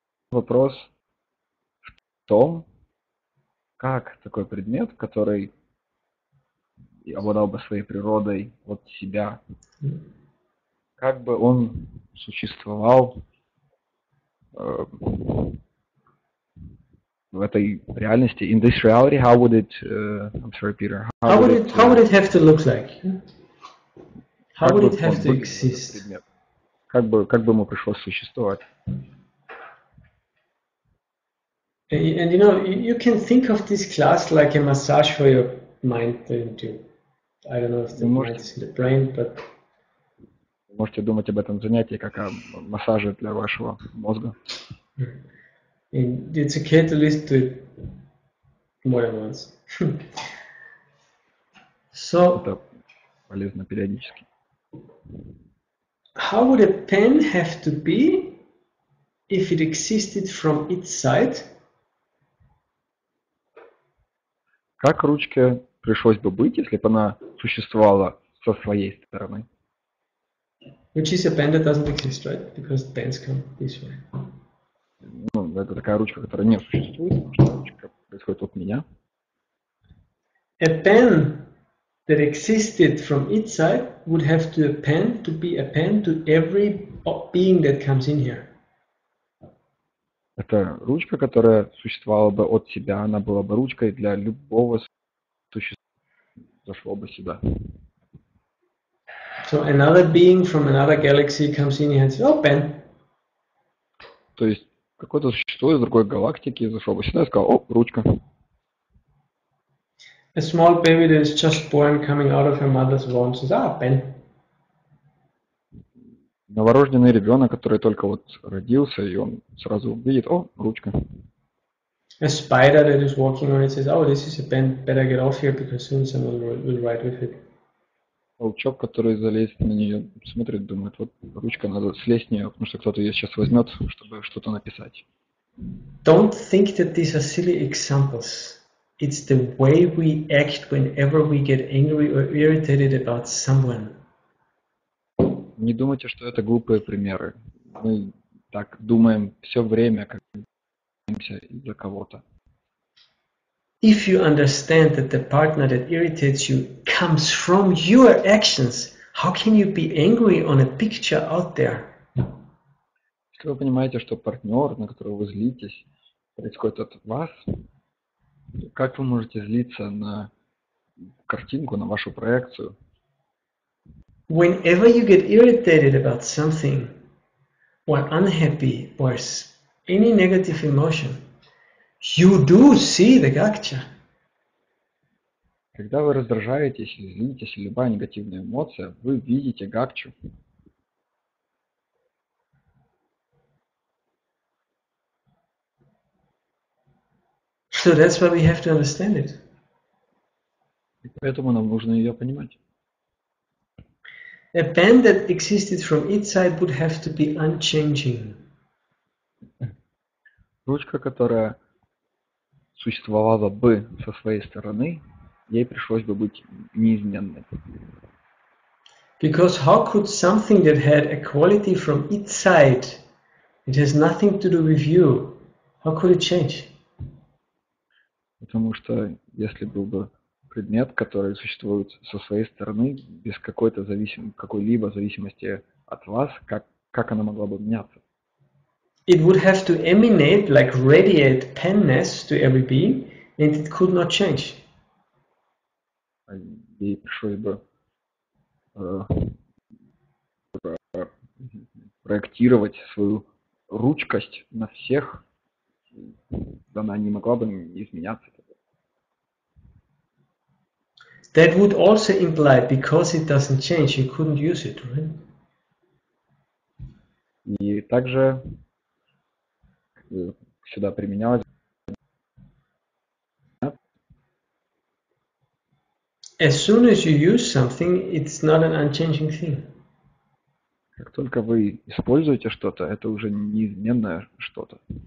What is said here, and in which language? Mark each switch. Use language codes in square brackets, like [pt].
[ru] Вопрос в том, как такой предмет, который обладал бы своей природой от себя, как бы он существовал в этой реальности, [en] in this reality, how would it, I'm sorry, Peter, how would it have to look like? How would it have to exist? [ru] Как бы ему пришлось существовать? [en] And you know, you can think of this class like a massage for your mind, don't you? I don't know if the mind is in the brain, but... [ru] Можете думать об этом занятии как о массаже для вашего мозга. [en] And it's okay to listen to it more than once. So... [ru] Это полезно периодически. [en] How would a pen have to be if it existed from its side? [ru] Как ручке пришлось бы быть, если бы она существовала со своей стороны? [en] Which is a pen that doesn't exist, right? Because pens come this way. [ru] Ну, это такая ручка, которая не существует, потому что ручка происходит от меня. [en] A pen that existed from its side would have to a pen to be a pen to every being that comes in here. [ru] Это ручка, которая существовала бы от себя, она была бы ручкой для любого существа, зашло бы сюда. [en] So another being from another galaxy comes in and says, "Oh, pen." [ru] То есть какое-то существо из другой галактики зашло бы сюда и сказало: "О, ручка." [en] A small baby that is just born coming out of her mother's womb says, "Ah, pen." [ru] Новорожденный ребенок, который только вот родился, и он сразу видит: о, ручка. [en] A spider that is walking on it says, oh, this is a pen, better get off here, because soon someone will ride with it. [ru] Паучок, который залезет на нее, смотрит, думает: вот ручка, надо слезть с нее, потому что кто-то ее сейчас возьмет, чтобы что-то написать. [en] Don't think that these are silly examples. It's the way we act whenever we get angry or irritated about someone. [ru] Не думайте, что это глупые примеры. Мы так думаем все время, как боимся из-за кого-то. [en] If you understand that the partner that irritates you comes from your actions, how can you be angry on a picture out there? [ru] Если вы понимаете, что партнер, на которого вы злитесь, происходит от вас, как вы можете злиться на картинку, на вашу проекцию? [en] Whenever you get irritated about something, or unhappy, or any negative emotion, you do see the gakcha. [ru] Когда вы раздражаетесь, злитесь, или любая негативная эмоция, вы видите гакчу. [en] So that's why we have to understand it. [ru] И поэтому нам нужно ее понимать. [en] A pen that existed from its side would have to be unchanging. [ru] Ручка, которая существовала бы со своей стороны, ей пришлось бы быть неизменной. [en] Because how could something that had a quality from its side, it has nothing to do with you, how could it change? [ru] Потому что если был бы предмет, который существует со своей стороны, без какой-то какой-либо зависимости от вас, как она могла бы меняться? [en] It would have to emanate, like radiate penness to every being, and it could not change. [ru] Ей пришлось бы проектировать свою ручкость на всех, она не могла бы изменяться. [en] That would also imply, because it doesn't change, you couldn't use it, right? [ru] И также сюда применялось. [en] As soon as you use something, it's not an unchanging thing. [ru] Как только вы используете что-то, это уже неизменное что-то.